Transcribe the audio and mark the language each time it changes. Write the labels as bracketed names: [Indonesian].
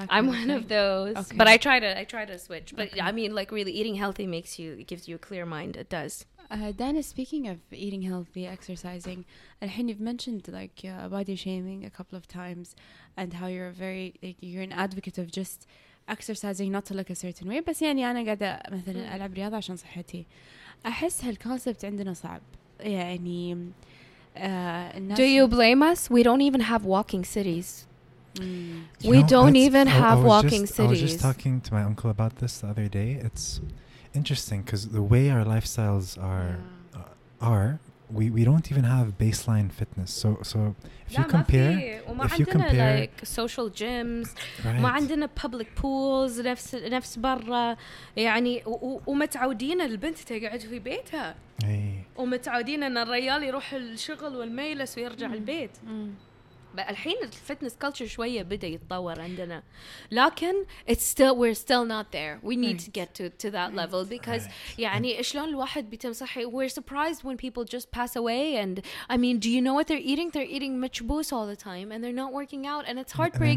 [English] I'm one of those. Okay. But I try to switch. But okay. I mean like really eating healthy makes you, it gives you a clear mind. It does. Dana, speaking of eating healthy, exercising, and Hin, you've mentioned like body shaming a couple of times and how you're you're an advocate of just exercising not to look a certain way. [Arabic] بس يعني أنا قاعدة مثلا ألعب رياضة عشان صحتي. أحس هالكونسبت عندنا صعب. يعني [English] Do you blame us? We don't even have walking cities. We don't even have walking cities. I was just talking to my uncle about this the other day. It's interesting because the way our lifestyles are, we don't even have baseline fitness. So if you compare, like social gyms, [Arabic] ما عندنا [English] public pools [Arabic] نفس برا يعني ومتعودين البنت تقعد في بيتها. ومتعودين ان الريال يروح الشغل والميلس ويرجع البيت. الحين الفتنس كلتشر شويه بدا يتطور عندنا لكن [English] we're still not there we need to get to that level because [Arabic] يعني شلون الواحد بيتم صحي [English] we're surprised when people just pass away and I mean do you know what they're eating مشبوس all the time and they're not working out and it's heartbreaking